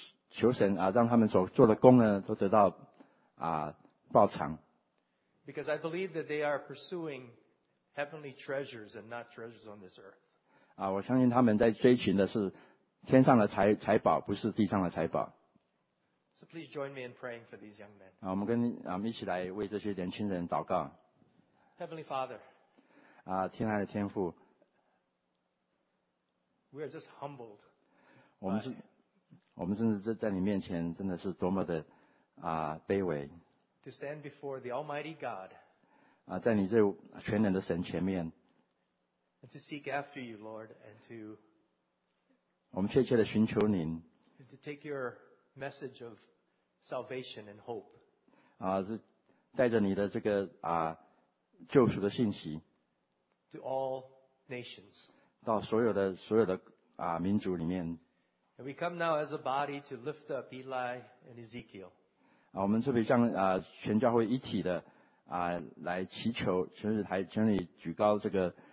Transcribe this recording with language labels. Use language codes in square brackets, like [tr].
[zh] 求神让他们所做的工呢都得到报偿。 [en] Because I believe that they are pursuing heavenly treasures and not treasures on this earth. [zh] 我相信他们在追寻的是天上的财宝，不是地上的财宝。 [en] So please join me in praying for these young men. [zh] 我们跟我们一起来为这些年轻人祷告。 [en] Heavenly Father. [zh] 亲爱的天父。 [en] We are just humbled. [zh] 我们真的在你面前真的是多么的卑微。 [en] To stand before the Almighty God. [zh] 在你这全能的神前面。 [en] And to seek after you, Lord, and to. [zh] 我们切切地寻求您。 [en] To take your message of salvation and hope. [zh] 是带着你的这个救赎的信息。 [en] To all nations. [zh] 到所有的民族里面。 [en] And we come now as a body to lift up Eli and Ezekiel. [zh] 我们特别像全教会一体的来祈求，甚至还请你举高这个。